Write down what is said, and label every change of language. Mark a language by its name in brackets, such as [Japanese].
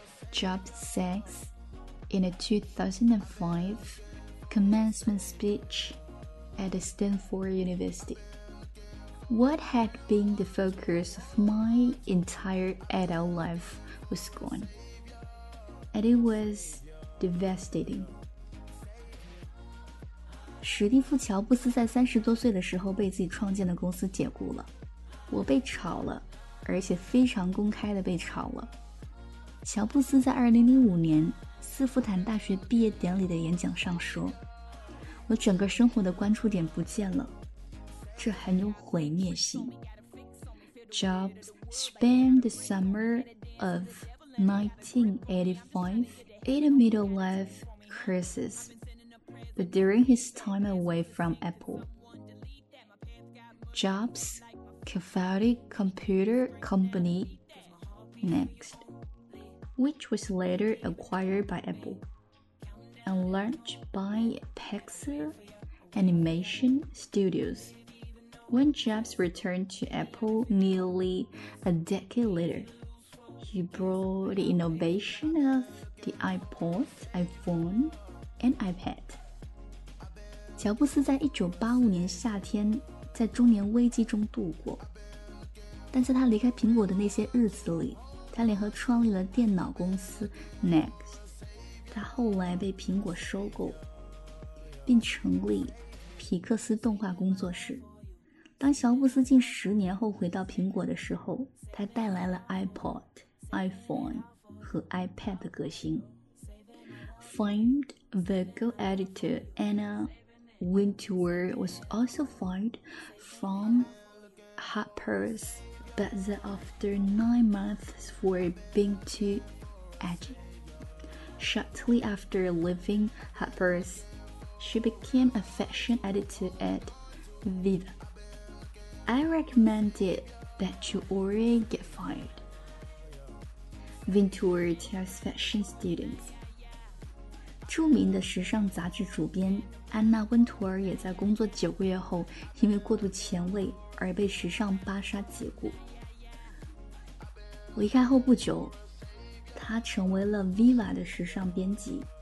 [English] Jobs says in a 2005 commencement speech at the Stanford University. What had been the focus of my entire adult life was gone, and it was devastating. [Chinese] 史蒂夫·乔布斯在30多岁的时候被自己创建的公司解雇了。我被炒了，而且非常公开的被炒了。乔布斯在2005年斯坦福大学毕业典礼的演讲上说：“我整个生活的关注点不见了。” 这很有毁灭性。 [English] Jobs spent the summer of 1985 in a midlife crisis, but during his time away from Apple, Jobs co-founded computer company Next, which was later acquired by Apple, and launched by Pixar Animation Studios. When Jobs returned to Apple nearly a decade later, he brought the innovation of the iPod, iPhone, and iPad. [Chinese] 乔布斯在1985年夏天在中年危机中度过，但在他离开苹果的那些日子里，他联合创立了电脑公司 Next. 他后来被苹果收购，并成立皮克斯动画工作室。当乔布斯近10年后回到苹果的时候，他带来了 iPod、iPhone 和 iPad 的革新。 [English] Famed vocal editor Anna Wintour was also fired from Harper's Bazaar after 9 months for being too edgy. Shortly after leaving Harper's, she became a fashion editor at Viva. I recommend it that you already get fired. Venturi tells fashion students. [Chinese] 著名的时尚杂志主编安娜温图尔也在工作9个月后因为过度前卫而被时尚芭莎解雇。离开后不久，她成为了 Viva 的时尚编辑。